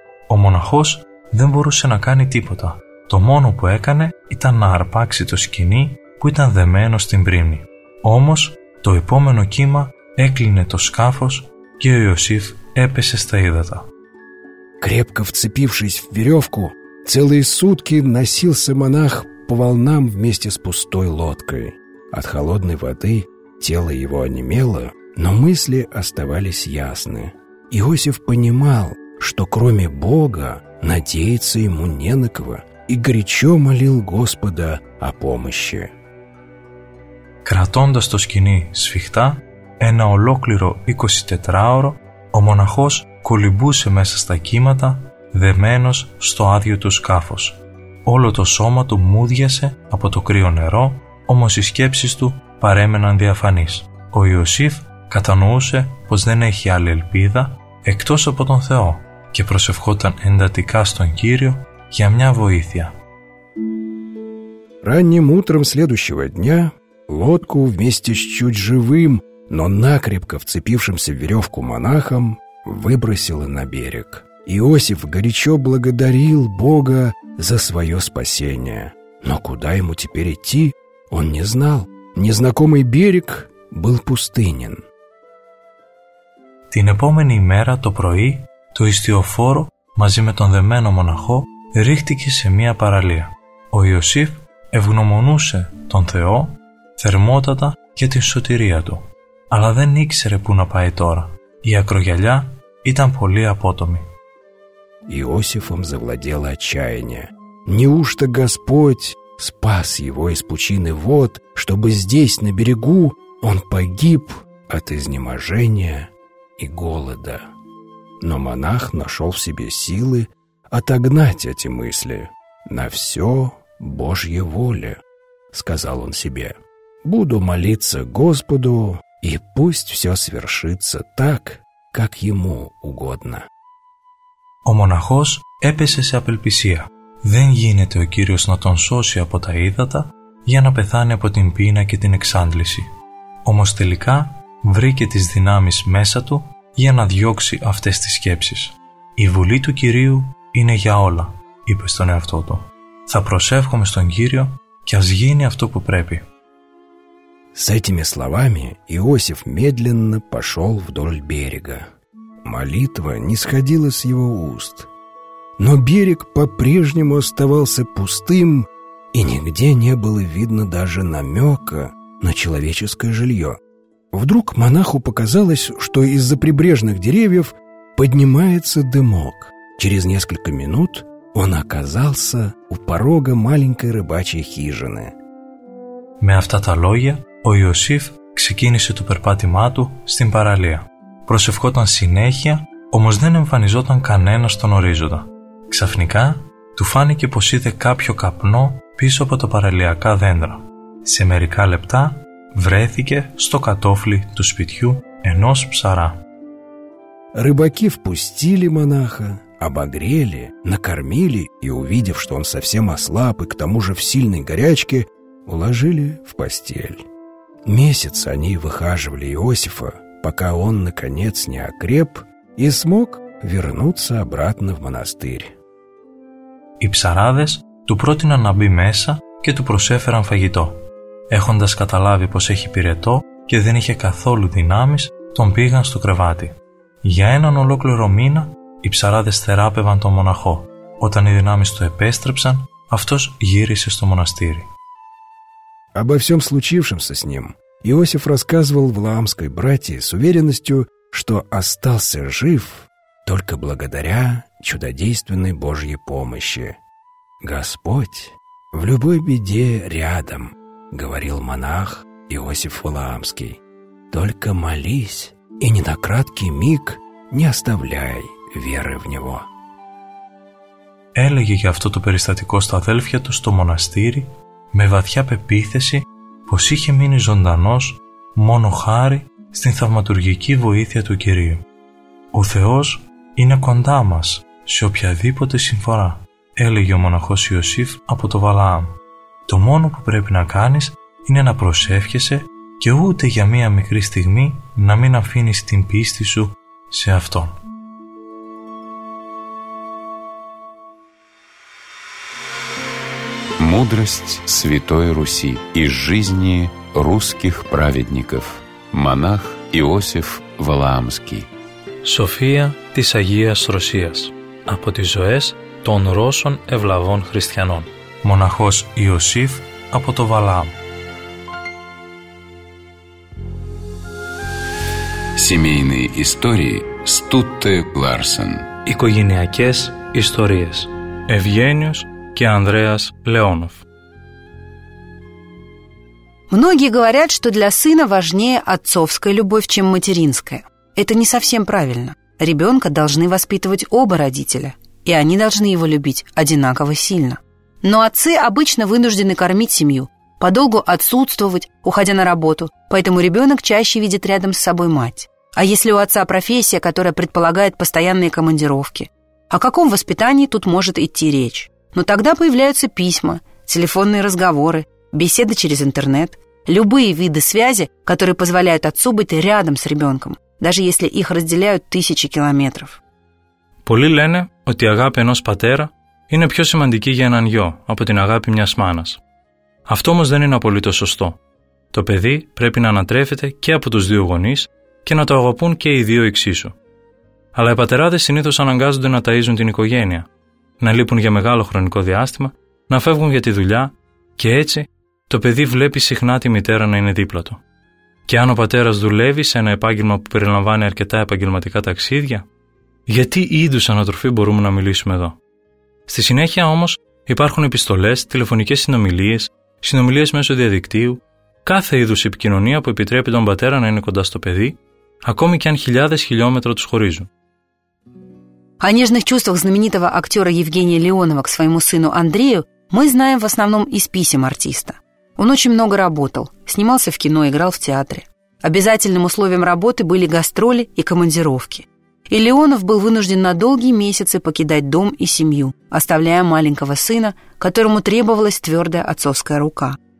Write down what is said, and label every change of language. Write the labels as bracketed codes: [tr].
[el] Ο μοναχός δεν μπορούσε να κάνει τίποτα. Το μόνο που έκανε ήταν να αρπάξει το σκηνί που ήταν δεμένο στην πρίμνη. Όμως το επόμενο κύμα έκλεινε το σκάφος και ο Ιωσήφ έπεσε στα ύδατα. [ru] Крепко вцепившись в веревку, целые сутки носился монах по волнам вместе с пустой лодкой. От холодной воды тело его онемело, но мысли оставались ясны. Иосиф понимал, что кроме Бога надеяться ему не на кого, и горячо молил Господа о помощи. [el] Кратондас то скини свихта, ένα ολόκληρο 24-ωρο, ο μοναχός κολυμπούσε μέσα στα κύματα, δεμένος στο άδειο του σκάφος. Όλο το σώμα του μούδιασε από το κρύο νερό, όμως οι σκέψεις του παρέμεναν διαφανείς. Ο Ιωσήφ κατανοούσε πως δεν έχει άλλη ελπίδα εκτός από τον Θεό και προσευχόταν εντατικά στον Κύριο για μια βοήθεια. [ru] Ranним утром следующего дня лодку вместе с чуть живым, но накрепко вцепившимся в веревку монахом выбросило на берег. Иосиф горячо благодарил Бога за свое спасение. Но куда ему теперь идти, он не знал. Незнакомый берег был пустынен. [el] Την επόμενη ημέρα το πρωί το ιστιοφόρο μαζί με τον δεμένο μοναχό ρίχτηκε σε μια παραλία. Ο Ιωσήφ ευγνωμονούσε τον Θεό θερμότατα για την σωτηρία του. Αλλά δεν ήξερε πού να πάει τώρα. Η ακρογιαλιά ήταν πολύ απότομη. [ru] Иосифом завладело отчаяние. Неужто Господь спас его из пучины вод, чтобы здесь, на берегу, он погиб от изнеможения и голода? Но монах нашел в себе силы отогнать эти мысли. «На все Божья воля», — сказал он себе. «Буду молиться Господу, и пусть все свершится так, как ему угодно». [el] Ο μοναχός έπεσε σε απελπισία. Δεν γίνεται ο Κύριος να τον σώσει από τα ύδατα για να πεθάνει από την πείνα και την εξάντληση. Όμως τελικά βρήκε τις δυνάμεις μέσα του για να διώξει αυτές τις σκέψεις. «Η βουλή του Κυρίου είναι για όλα», είπε στον εαυτό του. «Θα προσεύχομαι στον Κύριο και ας γίνει αυτό που πρέπει». [ru] С этими словами Иосиф медленно пошел вдоль берега. Молитва не сходила с его уст. Но берег по-прежнему оставался пустым, и нигде не было видно даже намека на человеческое жилье. Вдруг монаху показалось, что из-за прибрежных деревьев поднимается дымок. Через несколько минут он оказался у порога маленькой рыбачьей хижины. [el] Με αυτά τα λόγια, ο Ιωσήφ ξεκίνησε το περπάτημά του στην παραλία. Προσευχόταν συνέχεια, όμως δεν εμφανιζόταν κανένας στον ορίζοντα. Ξαφνικά, του φάνηκε πως είδε κάποιο καπνό πίσω από τα παραλιακά δέντρα. Σε μερικά λεπτά, βρέθηκε στο κατόφλι του σπιτιού ενός ψαρά. [ru] Рыбаки впустили монаха, обогрели, накормили и, увидев, что он совсем ослаб и к тому же в сильной горячке, уложили в постель. Месяц они выхаживали Иосифа, пока он, наконец, не окреп и смог вернуться обратно в монастырь. [el] Οι ψαράδες του πρότειναν να μπει μέσα και του προσέφεραν φαγητό. Έχοντας καταλάβει πως έχει πυρετό και δεν είχε καθόλου δυνάμεις, τον πήγαν στο κρεβάτι. Για έναν ολόκληρο μήνα, οι ψαράδες θεράπευαν τον μοναχό. Όταν οι δυνάμεις του επέστρεψαν, αυτός γύρισε στο μοναστήρι. [ru] Обо всем случившемся с ним Иосиф рассказывал влаамской братии с уверенностью, что остался жив только благодаря чудодейственной Божьей помощи. «Господь в любой беде рядом», — говорил монах Иосиф Влаамский. только молись и ни на краткий миг не оставляй веры в Него». [el] Έλεγε για αυτό το περιστατικό στα αδέλφια του στο μοναστήρι με βαθιά πεποίθηση πως είχε μείνει ζωντανός μόνο χάρη στην θαυματουργική βοήθεια του Κυρίου. «Ο Θεός είναι κοντά μας σε οποιαδήποτε συμφορά», έλεγε ο μοναχός Ιωσήφ από το Βαλάμ. «Το μόνο που πρέπει να κάνεις είναι να προσεύχεσαι και ούτε για μία μικρή στιγμή να μην αφήνεις την πίστη σου σε Αυτόν». [ru] Мудрость Святой Руси из жизни русских праведников. Монах Иосиф Валаамский. [el] София της Агίας Ρωσίας. Από τις ζωές των Ρώσων ευλαβών χριστιανών. Μοναχός Ιωσήφ από το Βαλάμ. [ru] Семейные истории Стутте Ларсен. [el] Οικογενειακές ιστορίες. Ευγένιος και Ανδρέας Λεόνοφ. [ru] Многие говорят, что для сына важнее отцовская любовь, чем материнская. Это не совсем правильно. Ребенка должны воспитывать оба родителя, и они должны его любить одинаково сильно. Но отцы обычно вынуждены кормить семью, подолгу отсутствовать, уходя на работу, поэтому ребенок чаще видит рядом с собой мать. А если у отца профессия, которая предполагает постоянные командировки, о каком воспитании тут может идти речь? Но тогда появляются письма, телефонные разговоры, беседы через интернет, любые виды связи, которые позволяют отцу быть рядом с ребенком, даже если их разделяют тысячи километров. [el] Πολλοί λένε ότι η αγάπη ενός πατέρα είναι πιο σημαντική για έναν γιο από την αγάπη μιας μάνας. Αυτό όμως δεν είναι απολύτως σωστό. Το παιδί πρέπει να ανατρέφεται και από τους δύο γονείς και να το αγαπούν και οι δύο εξίσου. Αλλά οι πατεράδες συνήθως αναγκάζονται να ταΐζουν την οικογένεια, να λείπουν για μεγάλο χρονικό διάστημα, να φεύγουν για τη δουλειά και έτσι το παιδί βλέπει συχνά τη μητέρα να είναι δίπλα του. Και αν ο πατέρας δουλεύει σε ένα επάγγελμα που περιλαμβάνει αρκετά επαγγελματικά ταξίδια, για τι είδους ανατροφή μπορούμε να μιλήσουμε εδώ? Στη συνέχεια όμως υπάρχουν επιστολές, τηλεφωνικές συνομιλίες, συνομιλίες μέσω διαδικτύου, κάθε είδους επικοινωνία που επιτρέπει τον πατέρα να είναι κοντά στο παιδί, ακόμη και αν χιλιάδες χιλιόμετρα τους χωρίζουν. [ru] О нежных чувствах знаменитого актера Евгения Леонова к своему сыну Андрею мы знаем в основном из писем артиста. Он очень много работал, снимался в кино, играл в театре. Обязательным условием работы были гастроли и командировки. И Леонов был вынужден на долгие месяцы покидать дом и семью, оставляя маленького сына, которому требовалась твердая отцовская рука.